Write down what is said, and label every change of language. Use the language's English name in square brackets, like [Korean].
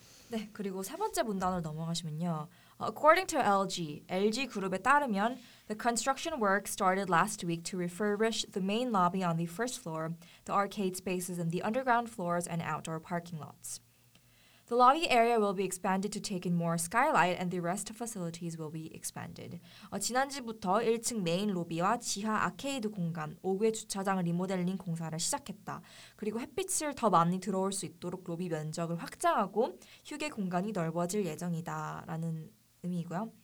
[Korean] 네, 그리고 세 번째 문단으로 넘어가시면요. [English] According to LG, [Korean] LG 그룹에 따르면 [English] the construction work started last week to refurbish the main lobby on the first floor, the arcade spaces in the underground floors and outdoor parking lots. The lobby area will be expanded to take in more skylight and the rest facilities will be expanded. [Korean] 지난주부터 1층 메인 로비와 지하 아케이드 공간, 5개 주차장 리모델링 공사를 시작했다. 그리고 햇빛을 더 많이 들어올 수 있도록 로비 면적을 확장하고 휴게 공간이 넓어질 예정이다 라는 의미이고요.